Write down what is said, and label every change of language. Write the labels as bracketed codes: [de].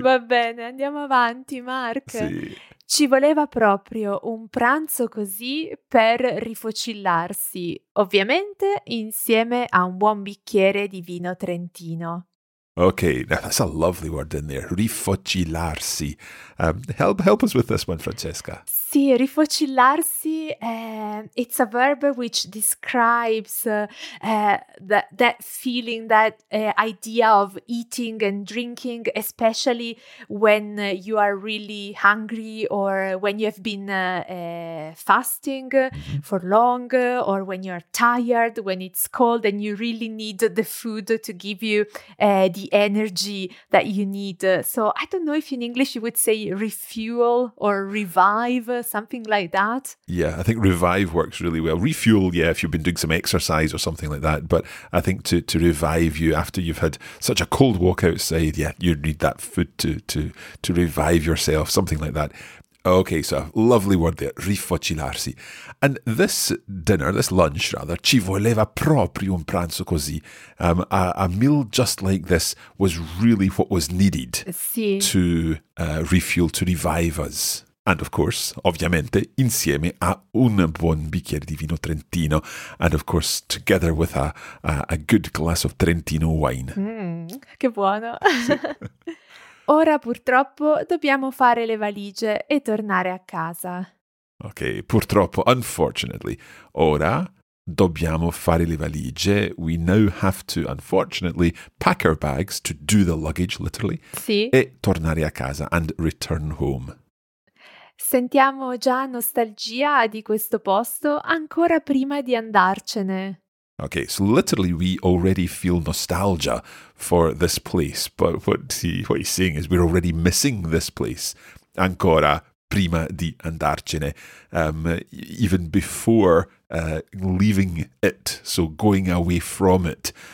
[it] Va bene, andiamo avanti, Mark. Sì. Ci voleva proprio un pranzo così per rifocillarsi, ovviamente insieme a un buon bicchiere di vino trentino. [en] Okay, now that's a lovely word in there, rifocillarsi. Help us with this one, Francesca. Sì, rifocillarsi, it's a verb which describes that feeling, that idea of eating and drinking, especially when you are really hungry or when you have been fasting for long, or when you're tired, when it's cold and you really need the food to give you the energy that you need. So I don't know if in English you would say refuel or revive, something like that. Yeah, I think revive works really well. Refuel, yeah, if you've been doing some exercise or something like that. But I think to revive you after you've had such a cold walk outside, yeah, you need that food to revive yourself, something like that. Okay, so lovely word there, rifocillarsi. And this dinner, this lunch rather, [it] ci voleva proprio un pranzo così. [en] A meal just like this was really what was needed to refuel, to revive us. And of course, [it] ovviamente, insieme a un buon bicchiere di vino Trentino. [en] And of course, together with a good glass of Trentino wine. [it] Che buono! Ora purtroppo dobbiamo fare le valigie e tornare a casa. [en] Ok, purtroppo, unfortunately. [it] Ora dobbiamo fare le valigie. [en] We now have to, unfortunately, pack our bags, to do the luggage, literally. [it] Sì. E tornare a casa [en] and return home. [it] Sentiamo già nostalgia di questo posto ancora prima di andarcene. [en] Okay, so literally we already feel nostalgia for this place, but what he's saying is we're already missing this place [it] ancora prima di andarcene, [en] even before leaving it, so going away from it.